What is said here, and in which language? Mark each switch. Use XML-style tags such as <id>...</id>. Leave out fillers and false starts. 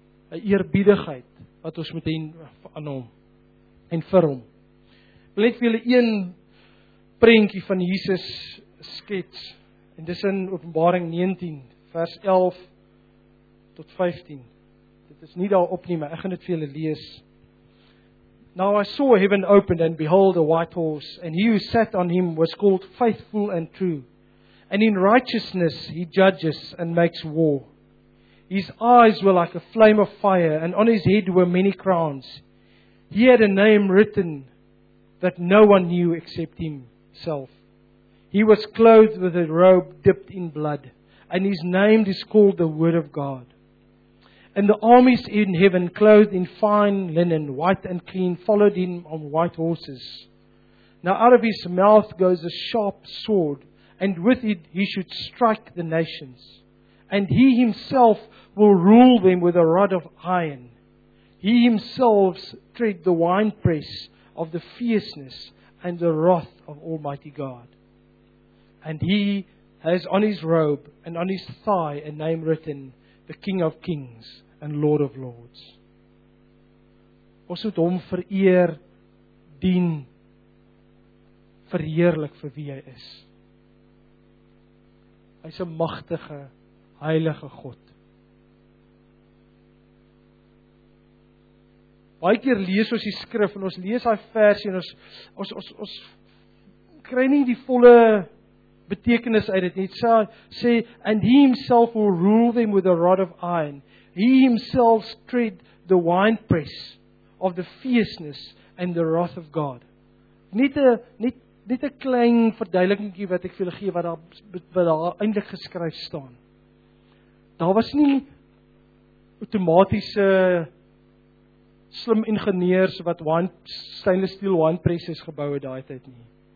<af>'n Eerbiedigheid wat ons moet hê aan hom en vir hom. Ek wil net vir julle een prentjie van Jesus skets. En dis in Openbaring 19 vers 11 tot 15. Dit is nie daarop nie, maar ek gaan dit vir julle lees.</af> <en>Now I saw heaven opened, and behold a white horse, and he who sat on him was called Faithful and True. And in righteousness he judges and makes war. His eyes were like a flame of fire, and on his head were many crowns. He had a name written that no one knew except himself. He was clothed with a robe dipped in blood, and his name is called the Word of God. And the armies in heaven, clothed in fine linen, white and clean, followed him on white horses. Now out of his mouth goes a sharp sword, and with it he should strike the nations. And he himself will rule them with a rod of iron. He himself tread the winepress of the fierceness and the wrath of Almighty God. And he has on his robe and on his thigh a name written, the King of Kings and Lord of Lords.</en> <af>Ons moet hom vereer, dien, verheerlik vir wie hy is. Hy's 'n magtige, heilige God. Baie keer lees ons die skrif en ons lees daai versie en ons kry nie die volle betekenis uit dit nie. Dit sê</af> <en>and he himself will rule them with a rod of iron. He himself tread the winepress of the fierceness and the wrath of God.</en> <af>Net 'n klein verduidelikingie wat ek vir julle gee wat daar eintlik geskryf staan. Daar was nie outomatiese slim ingenieurs wat stainless steel winepresses gebou het daai tyd nie.</af>